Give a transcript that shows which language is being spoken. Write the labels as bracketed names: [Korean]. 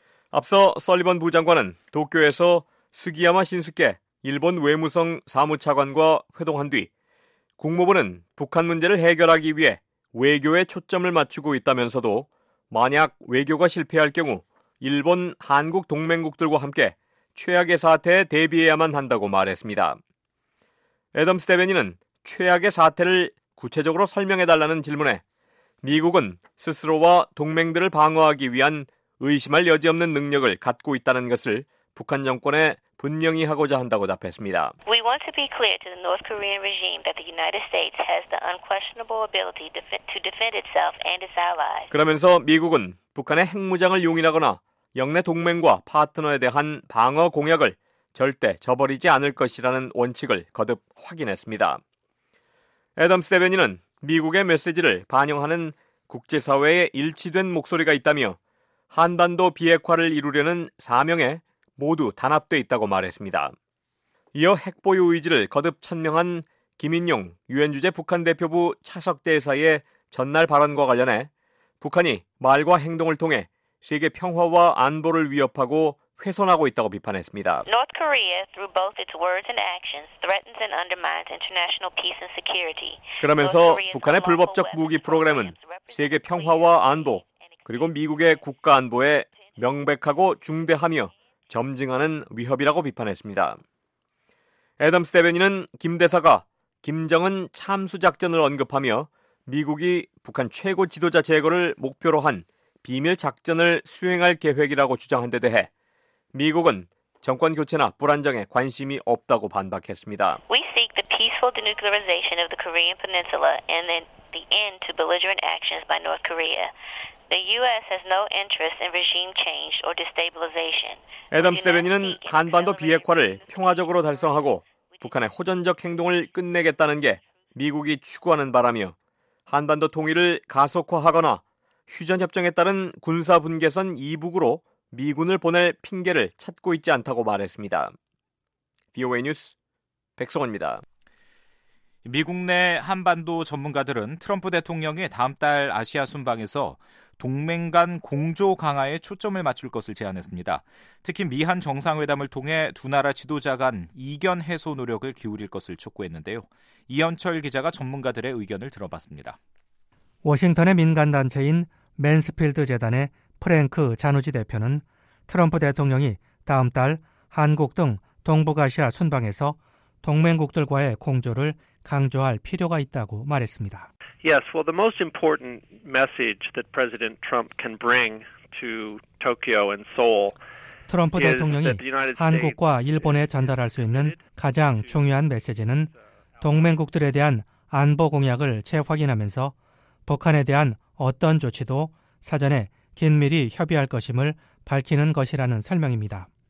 [Korean] 앞서 설리번 부장관은 도쿄에서 스기야마 신스케 일본 외무성 사무차관과 회동한 뒤 국무부는 북한 문제를 해결하기 위해 외교에 초점을 맞추고 있다면서도 만약 외교가 실패할 경우 일본, 한국 동맹국들과 함께 최악의 사태에 대비해야만 한다고 말했습니다. 애덤스 대변인은 최악의 사태를 구체적으로 설명해달라는 질문에 미국은 스스로와 동맹들을 방어하기 위한 의심할 여지 없는 능력을 갖고 있다는 것을 북한 정권에 분명히 하고자 한다고 답했습니다. [English] We want to be clear to the North Korean regime that the United States has the unquestionable ability to defend itself and its allies. [Korean] 그러면서 미국은 북한의 핵무장을 용인하거나 영내 동맹과 파트너에 대한 방어 공약을 절대 저버리지 않을 것이라는 원칙을 거듭 확인했습니다. 애덤스 대변인은 미국의 메시지를 반영하는 국제사회에 일치된 목소리가 있다며 한반도 비핵화를 이루려는 사명에 모두 단합돼 있다고 말했습니다. 이어 핵 보유 의지를 거듭 천명한 김인용 유엔 주재 북한 대표부 차석 대사의 전날 발언과 관련해 북한이 말과 행동을 통해 세계 평화와 안보를 위협하고 훼손하고 있다고 비판했습니다. [English] North Korea through both its words and actions threatens and undermines international peace and security. [Korean] 그러면서 북한의 불법적 무기 프로그램은 세계 평화와 안보 그리고 미국의 국가 안보에 명백하고 중대하며 점증하는 위협이라고 비판했습니다. 애덤스 대변인은 김 대사가 김정은 참수작전을 언급하며 미국이 북한 최고 지도자 제거를 목표로 한 비밀 작전을 수행할 계획이라고 주장한 데 대해 미국은 정권 교체나 불안정에 관심이 없다고 반박했습니다. [English] We seek the peaceful denuclearization of the Korean Peninsula and the end to belligerent actions by North Korea. The U.S. has no interest in regime change or destabilization. [Korean] 애덤스 대변인은 한반도 비핵화를 평화적으로 달성하고 북한의 호전적 행동을 끝내겠다는 게 미국이 추구하는 바라며 한반도 통일을 가속화하거나 휴전협정에 따른 군사분계선 이북으로 미군을 보낼 핑계를 찾고 있지 않다고 말했습니다. VOA 뉴스 백성원입니다. 미국 내 한반도 전문가들은 트럼프 대통령이 다음 달 아시아 순방에서 동맹 간 공조 강화에 초점을 맞출 것을 제안했습니다. 특히 미한 정상회담을 통해 두 나라 지도자 간 이견 해소 노력을 기울일 것을 촉구했는데요. 이현철 기자가 전문가들의 의견을 들어봤습니다. 워싱턴의 민간단체인 맨스필드 재단의 프랭크 자누지 대표는 트럼프 대통령이 다음 달 한국 등 동북아시아 순방에서 동맹국들과의 공조를 강조할 필요가 있다고 말했습니다. [English] Yes, well, the most important message that President Trump can bring to Tokyo and Seoul. [Korean] 트럼프 대통령이 한국과 일본에 전달할 수 있는 가장 중요한 메시지는 동맹국들에 대한 안보 공약을 재확인하면서 북한에 대한 어떤 조치도 사전에 긴밀히 협의할 것임을 밝히는 것이라는 설명입니다.